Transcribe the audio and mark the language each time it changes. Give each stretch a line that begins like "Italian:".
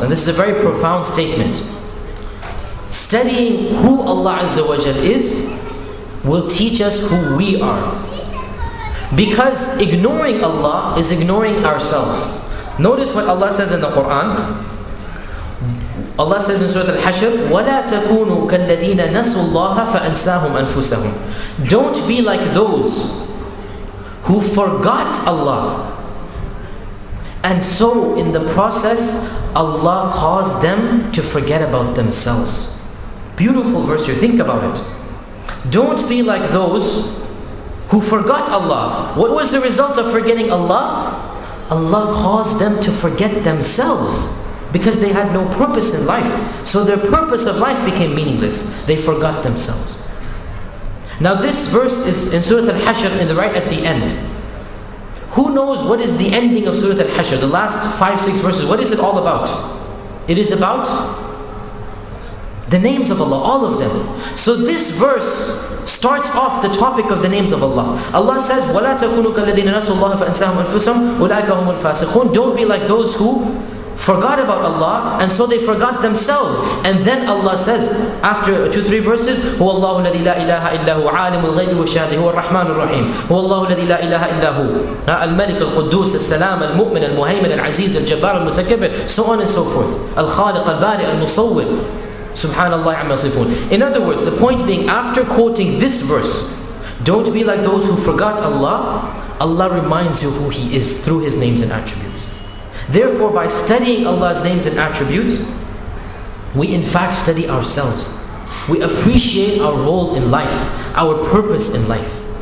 English: And this is a very profound statement. Studying who Allah Azza wa Jal is will teach us who we are. Because ignoring Allah is ignoring ourselves. Notice what Allah says in the Quran. Allah says in Surah Al-Hashr,
Arabic: وَلَا تَكُونُوا كَالَّذِينَ نَسُوا اللَّهَ فَأَنْسَاهُمْ أَنفُسَهُمْ.
English: Don't be like those who forgot Allah. And so in the process, Allah caused them to forget about themselves. Beautiful verse here, think about it. Don't be like those who forgot Allah. What was the result of forgetting Allah? Allah caused them to forget themselves because they had no purpose in life. So their purpose of life became meaningless. They forgot themselves. Now this verse is in Surah Al-Hashr in the right at the end. Who knows what is the ending of Surah Al-Hashr? The last 5-6 verses, what is it all about? It is about the names of Allah, all of them. So this verse starts off the topic of the names of Allah. Allah says,
Arabic: وَلَا تَكُونُوا كَالَّذِينَ نَسُوا اللَّهَ فَأَنْسَاهُمْ أَنفُسَهُمْ أُولَٰئِكَ هُمُ الْفَاسِقُونَ.
English: Don't be like those who forgot about Allah, and so they forgot themselves. And then Allah says, after 2-3 verses,
Arabic: هو الله الذي لا إله إلا هو عالم الغيب والشهادة هو الرحمن الرحيم هو الله الذي لا إله إلا هو الملك القدوس السلام المؤمن المهيمن العزيز الجبار المتكبر.
English: So on and so forth.
Arabic: الخالق البارئ المصور سبحان الله عما يصفون.
English: In other words, the point being, after quoting this verse, don't be like those who forgot Allah. Allah reminds you who He is through His names and attributes. Therefore, by studying Allah's names and attributes, we in fact study ourselves. We appreciate our role in life, our purpose in life.